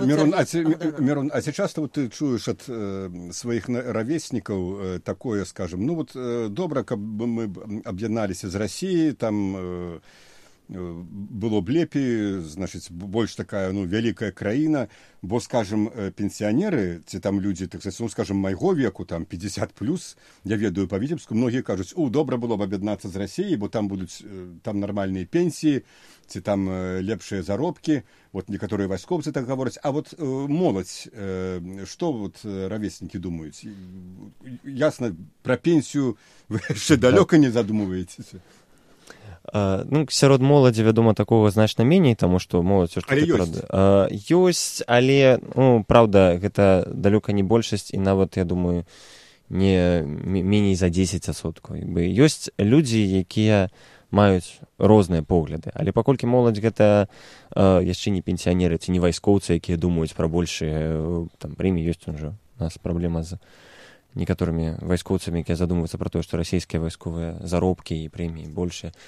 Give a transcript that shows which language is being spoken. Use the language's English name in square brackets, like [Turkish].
[Belarusian] Мірон, а ці часта вот ты чуеш ад сваіх равеснікаў такое, скажам, ну, вот добра, каб мы аб'ядналіся з Расіяй, там, [Russian] было б лепей, значит, больше такая, ну, великая краина, бо, скажем, пенсионеры, те там люди, так сказать, ну, скажем, моего веку, там, 50+, я ведаю по Витебску, многие кажут, о, добро было бы объединяться с Россией, бо там будут, там нормальные пенсии, те там лепшие заробки, вот некоторые войскопцы так говорят, а вот молодь, что вот ровесники думают? Ясно, про пенсию вы еще далеко не задумываетесь. [Belarusian] Ну, сярод моладзі, вядома, такога значна меней, таму што моладзь ўсё ж такі праўда. Ёсць, але, ну, праўда, гэта далёка не большасць і нават, я думаю, не меней за 10%. Бы ёсць людзі, якія маюць розныя погляды, але паколькі моладзь гэта яшчэ не пенсіянеры ці не вайскоўцы, якія думаюць пра большыя там прэміі, ёсць ужо у нас праблема з некаторымі вайскоўцамі, якія задумваюцца пра тое, што расійскія вайсковыя заробкі і прэміі большыя.